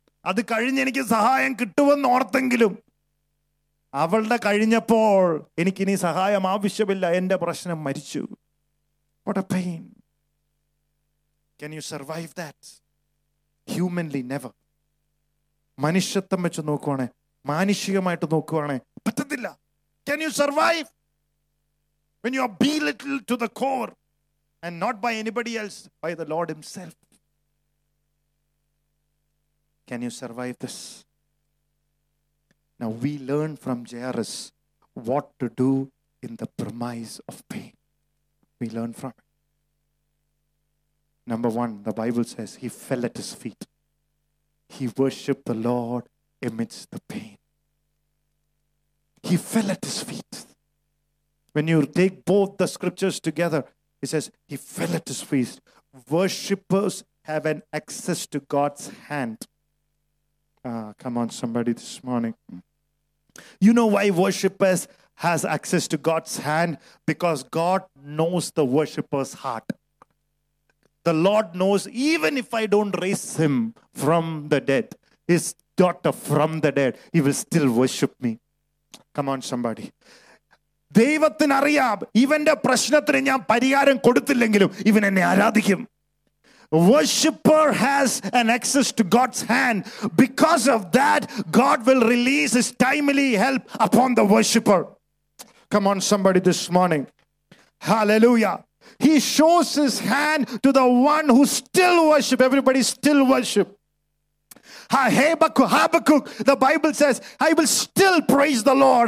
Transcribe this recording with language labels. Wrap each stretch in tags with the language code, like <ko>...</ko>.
<ml>അത് കഴിഞ്ഞ് എനിക്ക് സഹായം കിട്ടുമെന്ന് ഓർത്തെങ്കിലും അവളുടെ കഴിഞ്ഞപ്പോൾ എനിക്കിനി സഹായം ആവശ്യമില്ല, എന്റെ പ്രശ്നം മരിച്ചു.</ml> <en>What a pain. Can you survive that? Humanly, never.</en> <ml>മനുഷ്യത്വം വെച്ച് നോക്കുവാണെങ്കിൽ, മാനുഷികമായിട്ട് നോക്കുവാണെങ്കിൽ പറ്റത്തില്ല.</ml> <en>Can you survive? When you are belittled to the core and not by anybody else, by the Lord himself. Can you survive this? Now we learn from Jairus what to do in the premise of pain. We learn from it. Number one, the Bible says he fell at his feet. He worshipped the Lord amidst the pain. He fell at his feet. When you take both the scriptures together, it says, he fell at his feet. Worshippers have an access to God's hand. Come on, somebody, this morning. You know why worshippers has access to God's hand? Because God knows the worshipper's heart. The Lord knows, even if I don't raise him from the dead, his daughter from the dead, he will still worship me. Come on, somebody.</en> <ml>ദൈവത്തിന് അറിയാം, ഇവന്റെ പ്രശ്നത്തിന് ഞാൻ പരിഹാരം കൊടുത്തില്ലെങ്കിലും ഇവൻ എന്നെ ആരാധിക്കും.</ml> <en>Worshipper has an access to God's hand. Because of that, God will release his timely help upon the worshipper. Come on, somebody, this morning. Hallelujah. He shows his hand to the one who still worship. Everybody still worship. Habakkuk, the Bible says, I will still praise the Lord.</en>